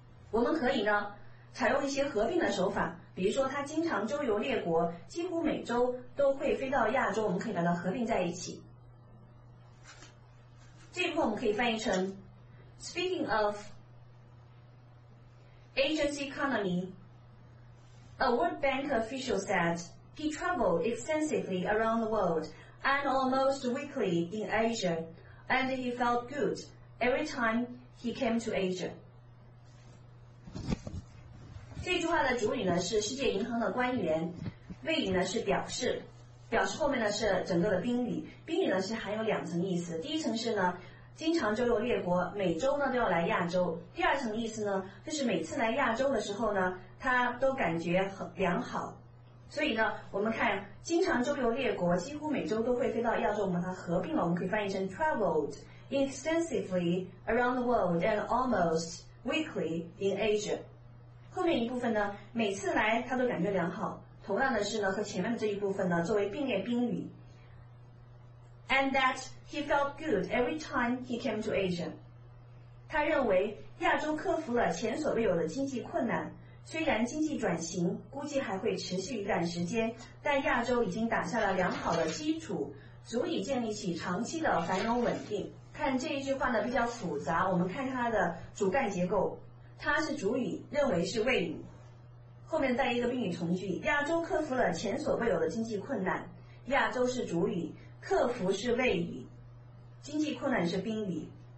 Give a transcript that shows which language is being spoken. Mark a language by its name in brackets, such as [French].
[Chinese] 我们可以呢采用一些合并的手法比如说他经常周游列国几乎每周都会飞到亚洲我们可以把它合并在一起这一部分我们可以翻译成 [English] Speaking ofAsia's economy. A World Bank official said he traveled extensively around the world and almost weekly in Asia, and he felt good every time he came to Asia. [Chinese] 这句话的主语呢是世界银行的官员，谓语呢是表示，表示后面呢是整个的宾语，宾语呢是含有两层意思，第一层是呢。经常周游列国每周呢都要来亚洲第二层意思呢就是每次来亚洲的时候呢他都感觉很良好所以呢，我们看经常周游列国，几乎每周都会飞到亚洲，我们把它合并了，我们可以翻译成 [English] traveled extensively around the world and almost weekly in Asia。 [Chinese] 后面一部分呢，每次来他都感觉良好，同样的是呢，和前面这一部分呢作为并列宾语。 [English] And that he felt good every time he came to Asia。 [Chinese] 他认为亚洲克服了前所未有的经济困难，虽然经济转型估计还会持续一段时间，但亚洲已经打下了良好的基础，足以建立起长期的繁荣稳定。看这一句话呢比较复杂，我们看它的主干结构，它是主语，认为是谓语，后面带一个宾语从句，亚洲克服了前所未有的经济困难，亚洲是主语，克服是谓语，经济困难是宾语。